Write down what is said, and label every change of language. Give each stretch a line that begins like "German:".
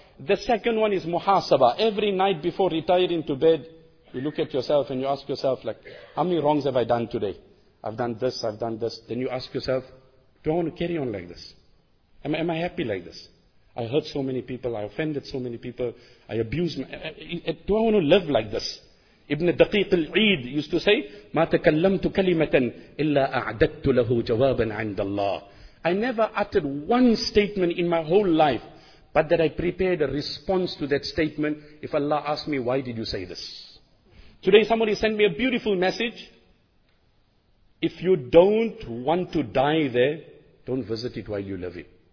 English: The second one is muhasabah. Every night before retiring to bed, you look at yourself and you ask yourself, like, how many wrongs have I done today? I've done this, I've done this. Then you ask yourself, do I want to carry on like this? Am I happy like this? I hurt so many people, I offended so many people, I abused. Do I want to live like this? Ibn Daqiq al-Eid used to say,
Arabic: مَا تَكَلَّمْتُ كَلِمَةً إِلَّا أَعْدَدْتُ لَهُ جَوَابًا عِنْدَ اللَّهِ.
English: I never uttered one statement in my whole life, but that I prepared a response to that statement if Allah asked me, why did you say this? Today somebody sent me a beautiful message. If you don't want to die there, don't visit it while you live it.